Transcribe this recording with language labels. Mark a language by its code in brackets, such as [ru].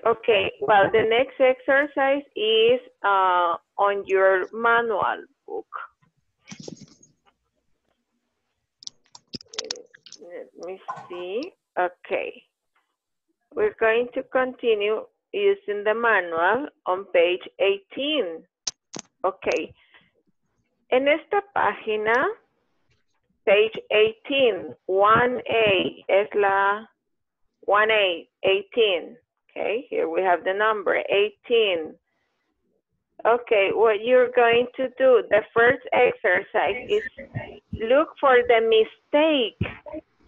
[en] Ok, well, the next exercise is on your manual book. Let me see. Ok. We're going to continue using the manual on page 18. Ok. [es] En esta página, [en] page 18, [es] 1A, es la 1A, 18. [en] Okay, here we have the number, 18. Okay, what you're going to do, the first exercise is look for the mistake.